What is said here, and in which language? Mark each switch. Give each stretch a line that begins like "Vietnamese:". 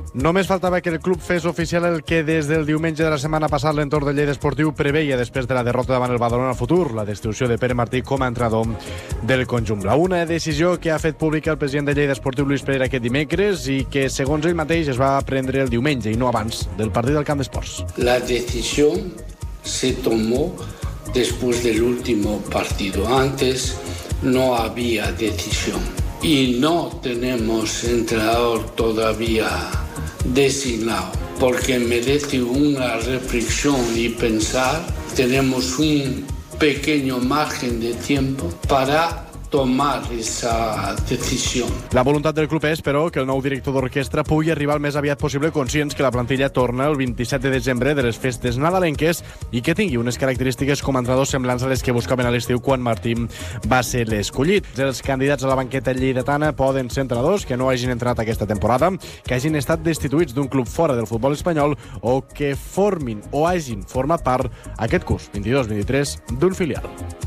Catalan: Només faltava que el club fes oficial el que des del diumenge de la setmana passada l'entorn de Lleida Esportiu preveia després de la derrota davant el Badalona al futur, la destitució de Pere Martí com a entrenador del conjunt. La una decisió que ha fet pública el president de Lleida Esportiu, Luis Pereira, aquest dimecres i que, segons ell mateix, es va prendre el diumenge i no abans del partit del Camp d'Esports.
Spanish: La decisió se tomó después del último partido. Antes no había decisión. Y no tenemos entrenador todavía designado, porque merece una reflexión y pensar. Tenemos un pequeño margen de tiempo para tomar esa decisión.
Catalan: La voluntat del club és, però, que el nou director d'orquestra pugui arribar el més aviat possible, conscients que la plantilla torna el 27 de desembre de les festes nadalenques i que tingui unes característiques com a entrenador semblants a les que buscaven a l'estiu quan Martín va ser l'escollit. Els candidats a la banqueta lleidatana poden ser entrenadors que no hagin entrenat aquesta temporada, que hagin estat destituïts d'un club fora del futbol espanyol o que formin o hagin format part aquest curs 22-23 d'un filial.